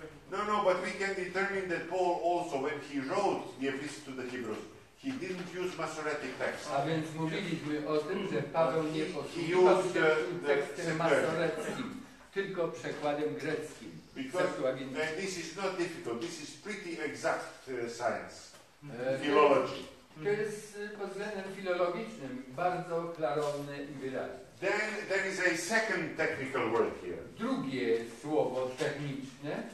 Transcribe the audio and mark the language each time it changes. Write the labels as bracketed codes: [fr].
[en] No, but we can determine that Paul also, when he wrote the Epistle to the Hebrews, he didn't use Masoretic text. [pl] A więc mówiliśmy o tym, że Paweł nie posługiwał się tym tekstem masoreckim. Tylko przekładem greckim. [en] Because this is not difficult. This is pretty exact science. Philology. [pl] To jest pod względem filologicznym bardzo klarowne i wyraźne. [en] Then there is a second technical word here. [pl] Drugie słowo techniczne.